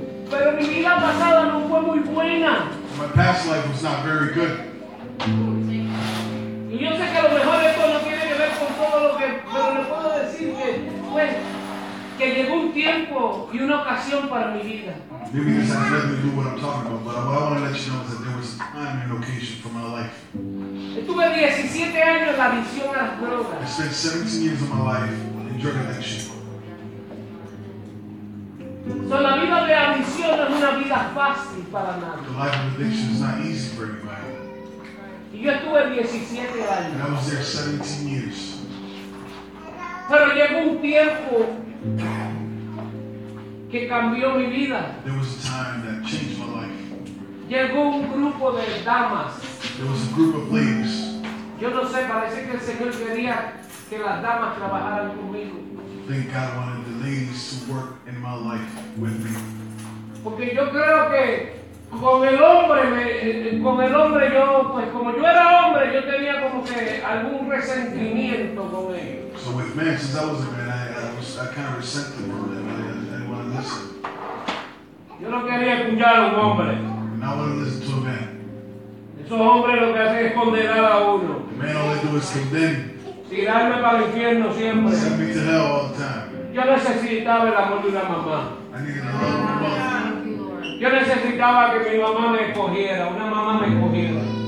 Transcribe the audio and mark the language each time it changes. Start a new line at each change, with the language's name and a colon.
Spanish: Pero mi vida pasada no fue muy buena.
English: My past life was not very good. Maybe this has nothing to do with what I'm talking about, but what I want to let you know is that there was time and location for my life. I spent 17 years of my life in drug addiction.
Spanish: So la vida de adicción no es una vida fácil para nadie.
English: The life of addiction is not easy for anybody.
Spanish: Y yo estuve 17 años.
English: And I was there 17 years.
Spanish: Pero llegó un tiempo que cambió mi vida.
English: There was a time that changed my life.
Spanish: Llegó un grupo de damas.
English: There was a group of ladies.
Spanish: Yo no sé, parece que el Señor quería que las damas trabajaran conmigo.
English: Thank God I wanted the ladies to work in my life with me.
Spanish: Porque yo creo que con el hombre, yo, pues como yo era hombre, yo tenía como que algún resentimiento con ellos.
English: So with men, since I was a man, I kind of resent the word, and I didn't want to listen.
Spanish: Yo no quería escuchar a un hombre.
English: And I wanted to listen to a man.
Spanish: Esos hombres lo que hacen es condenar a uno.
English: The man, all they do is condemn.
Spanish: Tirarme para el infierno siempre.
English: Send me to hell all the time.
Spanish: Yo necesitaba el amor de una mamá.
English: I needed a love of a mother.
Spanish: Yo necesitaba que mi mamá me escogiera, una mamá me escogiera.